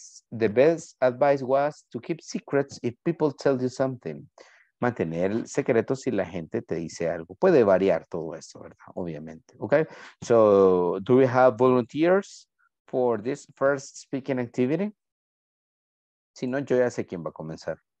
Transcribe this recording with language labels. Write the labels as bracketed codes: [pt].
[en] The best advice was to keep secrets if people tell you something. [es] Mantener el secreto si la gente te dice algo. Puede variar todo esto, ¿verdad? Obviamente. Okay. [en] So, do we have volunteers for this first speaking activity? [es] Si no, yo ya sé quién va a comenzar.